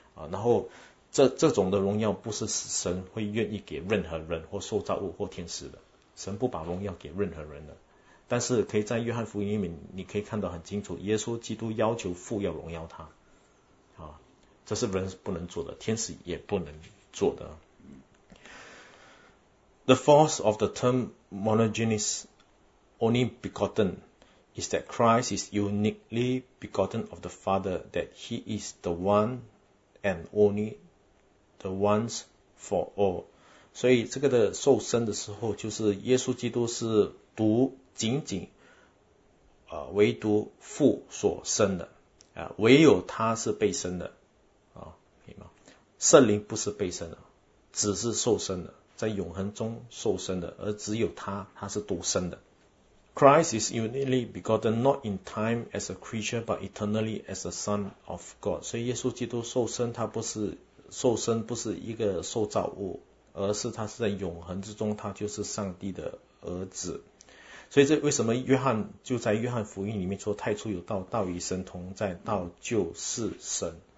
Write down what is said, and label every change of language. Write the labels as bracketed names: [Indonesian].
[Chinese] 然后这种的荣耀不是神会愿意给任何人或受造物或天使的，神不把荣耀给任何人的。但是可以在约翰福音里面你可以看到很清楚，耶稣基督要求父要荣耀他啊，这是人不能做的，天使也不能做的。 [English] The force of the term monogenes only begotten is that Christ is uniquely begotten of the Father, that he is the one and only the once for all. [Chinese] 所以这个的受生的时候，就是耶稣基督是独仅仅唯独父所生的唯有他是被生的圣灵不是被生的，只是受生的在永恒中受生的，而只有他，他是独生的。 [English] Christ is uniquely begotten not in time as a creature, but eternally as a son of God. [Chinese] 所以耶稣基督受生，他不是受生，不是一个受造物，而是他是在永恒之中，他就是上帝的儿子。所以这为什么约翰就在约翰福音里面说，太初有道，道与神同在，道就是神。